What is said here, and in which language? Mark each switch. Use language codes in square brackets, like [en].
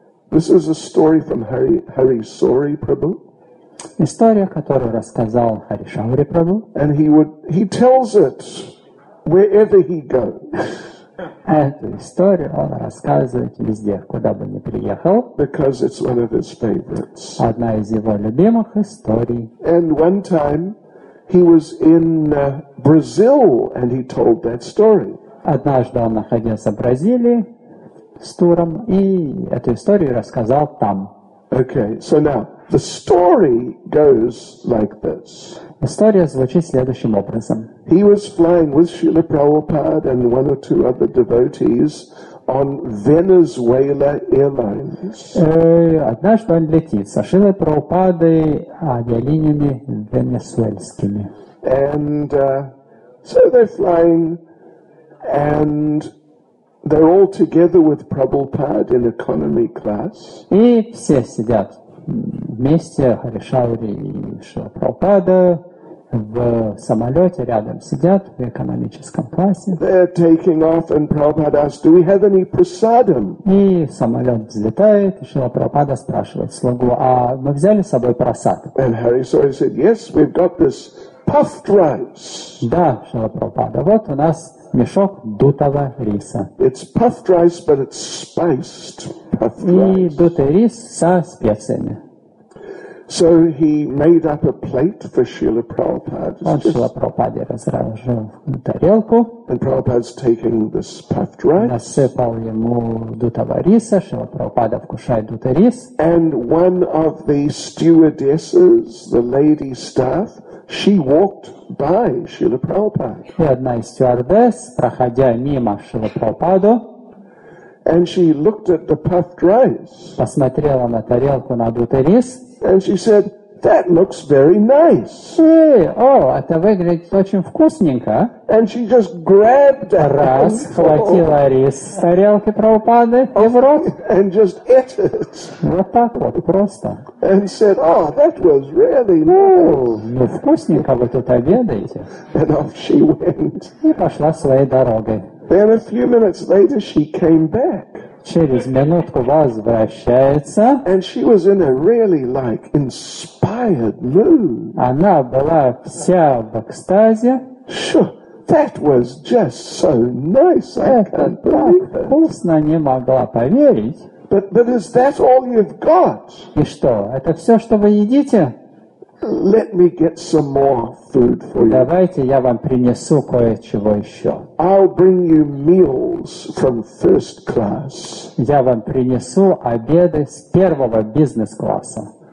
[en] This is a story from Hari Sauri Prabhu. [ru] История, которую рассказал Хари Шаури Прабху. [en] And he tells it wherever he goes. [ru] Эту историю он рассказывает везде, куда бы ни приехал. [en] Because it's one of his favorites. [ru] Одна из его любимых историй. [en] And one time he was in Brazil, and he told that story. [ru] Однажды он находился в Бразилии с туром, и эту историю рассказал там. [en] Okay, so now, the story goes like this. [ru] История звучит следующим образом. [en] He was flying with Srila Prabhupada and one or two other devotees on Venezuela Airlines. [ru] Однажды он летит со Шрилой Прабхупадой авиалиниями венесуэльскими. [en] And so they're flying and they're all together with Prabhupada in economy class. [ru] И все сидят вместе, Хари Шаури и Шрила Прабхупада, в самолете рядом сидят в экономическом классе. [en] They're taking off, and Prabhupada asks, "Do we have any prasadam?" [ru] И самолет взлетает, и Шрила Прабхупада спрашивает слугу: "А мы взяли с собой прасад?" [en] And Hari Sawai said, "Yes, we've got this puffed rice." [ru] Да, Шрила Прабхупада, вот у нас мешок дутого риса. [en] It's puffed rice, but it's spiced puffed rice. [ru] И дутый рис со специями. [en] So he made up a plate for Srila Prabhupada. [ru] Он Шрила Прабхупаде разложил тарелку. [en] And Prabhupada's taking this puffed rice. [ru] Насыпал ему дутого риса. Шрила Прабхупада вкушает дутый рис. [en] And one of the stewardesses, the lady staff, she walked by Srila Prabhupada. [ru] И одна из стюардесс, проходя мимо Шрила Прабхупады, [en] and she looked at the puffed rice. [ru] Посмотрела на тарелку, на дутый рис. [en] And she said, "That looks very nice." [ru] Hey, oh, это выглядит очень вкусненько. [en] And she just grabbed a [ru] раз, хватила рис с тарелки Прабхупады и в рот. [en] And just ate it. [ru] Вот так вот, просто. [en] And said, "Oh, that was really nice." [ru] Ну, вкусненько вы тут обедаете. [en] And off she went. [ru] И пошла своей дорогой. [en] Then a few minutes later she came back. [ru] Через минутку возвращается. [en] And she was in a really like inspired mood. [ru] Она была вся в экстазе. [en] Sure, that was just so nice. I can't believe it. [ru] Вкусно, не могла поверить. [en] But is that all you've got? [ru] И что, это все, что вы едите? [en] Let me get some more food for you. [ru] Давайте я вам принесу кое-чего еще. [en] I'll bring you meals from first class. [ru] Я вам принесу обеды с первого бизнес-класса.